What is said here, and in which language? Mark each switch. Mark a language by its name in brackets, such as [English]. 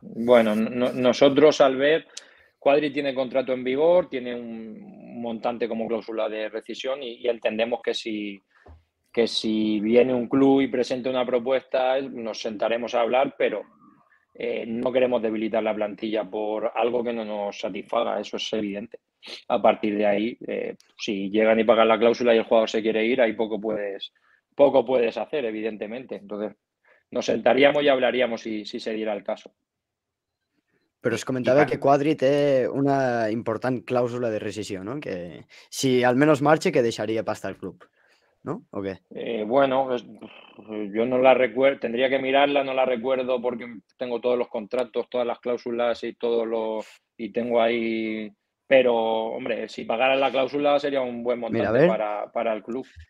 [Spanish] Bueno, nosotros al ver, Cuadri tiene contrato en vigor, tiene un montante como cláusula de rescisión y entendemos que si viene un club y presenta una propuesta, nos sentaremos a hablar, pero no queremos debilitar la plantilla por algo que no nos satisfaga, eso es evidente. A partir de ahí, si llegan y pagan la cláusula y el jugador se quiere ir, ahí poco puedes hacer, evidentemente. Entonces, nos sentaríamos y hablaríamos si se diera el caso. [Catalan] Pero os comentaba que Cuadri té una important clàusula de rescisió, no? Que si al menos marxa, que deixaria pasta al club, no? [Spanish] ¿O qué? Bueno, yo no la recuerdo, tendría que mirarla, no la recuerdo porque tengo todos los contratos, todas las cláusulas y todo lo... Y tengo ahí... Pero, hombre, si pagara la cláusula sería un buen montante. Mira, para el club.